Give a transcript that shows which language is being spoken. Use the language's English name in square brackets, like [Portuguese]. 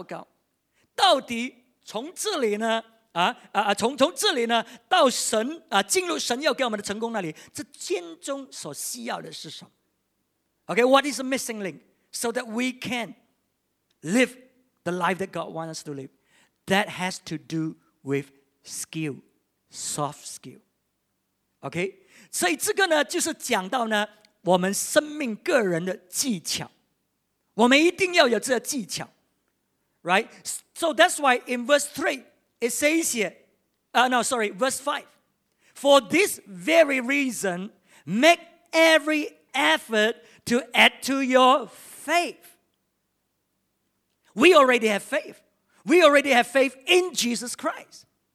[Chinese] 所以现在呢，我们呢已经给了这个神给我们这个成功的种子，他给我们所有一切的能力。可是为什么我们基督徒呢？我们相信了耶稣，我们的生命呢还不是那么的成功，而且呢有时可以很糟糕。到底 从这里呢，从这里呢，到神进入神要给我们的成功那里，这间中所需要的是什么？ [English] Okay, what is the missing link so that we can live the life that God wants us to live? That has to do with skill, soft skill. [Chinese] Okay, 所以这个呢，就是讲到呢，我们生命个人的技巧，我们一定要有这个技巧。 [English] Right? So that's why in verse 3, it says here, verse 5. For this very reason, make every effort to add to your faith. We already have faith. We already have faith in Jesus Christ.